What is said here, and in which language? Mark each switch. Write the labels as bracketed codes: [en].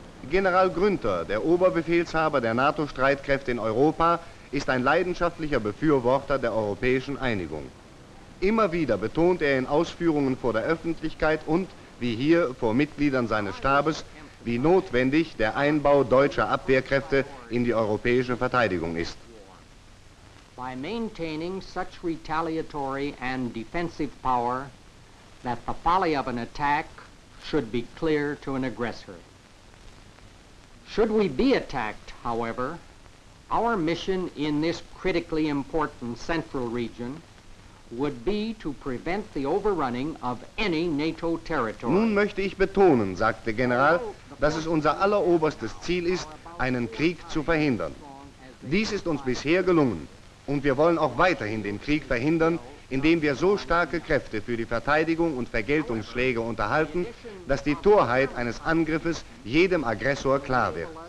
[de] General Grünther, der Oberbefehlshaber der NATO-Streitkräfte in Europa, ist ein leidenschaftlicher Befürworter der europäischen Einigung. Immer wieder betont er in Ausführungen vor der Öffentlichkeit und, wie hier, vor Mitgliedern seines Stabes, wie notwendig der Einbau deutscher Abwehrkräfte in die europäische Verteidigung ist. [en] by maintaining such retaliatory and defensive power that the folly of an attack should be clear to an aggressor. Should we be attacked, however, our mission in this critically important central region would be to prevent the overrunning of any NATO territory. [de] Nun möchte ich betonen, sagte General, dass es unser alleroberstes Ziel ist, einen Krieg zu verhindern. Dies ist uns bisher gelungen und wir wollen auch weiterhin den Krieg verhindern, indem wir so starke Kräfte für die Verteidigung und Vergeltungsschläge unterhalten, dass die Torheit eines Angriffes jedem Aggressor klar wird.